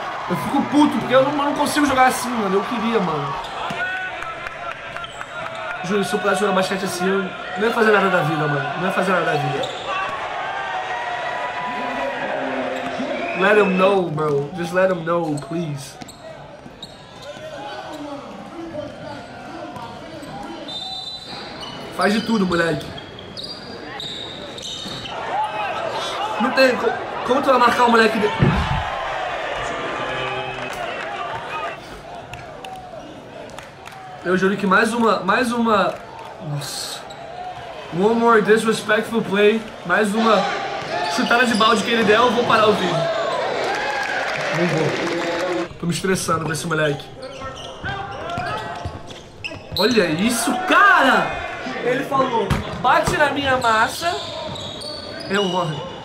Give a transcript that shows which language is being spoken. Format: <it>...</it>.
<pt>Eu fico puto porque eu não consigo jogar assim, mano. Eu queria, mano. Júlio, se eu pudesse jogar basquete assim, eu não ia fazer nada da vida, mano. Não ia fazer nada da vida.</pt> <en>Let him know, bro. Just let him know, please.</en> <pt>Faz de tudo, moleque. Não tem... Como tu vai marcar o moleque... Eu juro que mais uma... Nossa.</pt> <en>One more disrespectful play.</en> <pt>Mais uma chutada de balde que ele der, eu vou parar o vídeo. Não vou. Tô me estressando com esse moleque. Olha isso, cara! Ele falou, bate na minha massa. Eu morro.</pt>